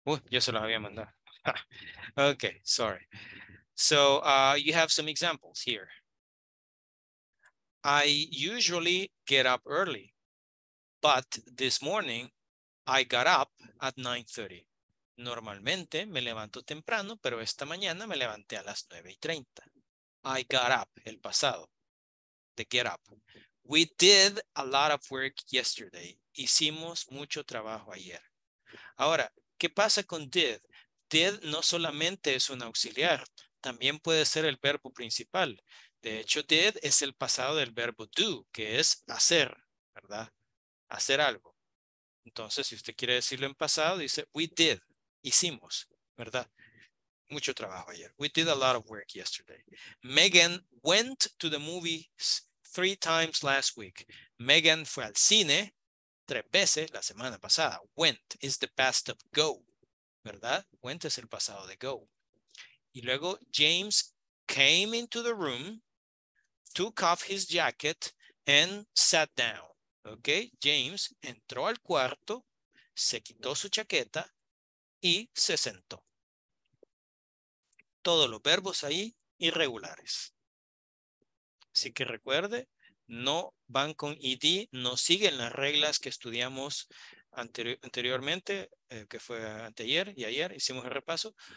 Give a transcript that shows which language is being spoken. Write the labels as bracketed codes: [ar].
[es] Yo se los había mandado. [en] Okay, sorry. So you have some examples here. I usually get up early. But this morning, I got up at 9:30. [es] Normalmente me levanto temprano, pero esta mañana me levanté a las 9:30. [en] I got up, [es] el pasado, [en] the get up. We did a lot of work yesterday. [es] Hicimos mucho trabajo ayer. Ahora, ¿qué pasa con did? Did no solamente es un auxiliar, también puede ser el verbo principal. De hecho, did es el pasado del verbo do, que es hacer, ¿verdad? Hacer algo. Entonces, si usted quiere decirlo en pasado, dice, we did, hicimos, ¿verdad? Mucho trabajo ayer. [en] We did a lot of work yesterday. Megan went to the movies 3 times last week. [es] Megan fue al cine 3 veces la semana pasada. [en] Went is the past of go, [es] ¿verdad? Went es el pasado de go. Y luego, [en] James came into the room, took off his jacket, and sat down. [es] Ok, James entró al cuarto, se quitó su chaqueta y se sentó. Todos los verbos ahí irregulares. Así que recuerde, no van con ed, no siguen las reglas que estudiamos anteriormente, que fue anteayer y ayer, hicimos el repaso.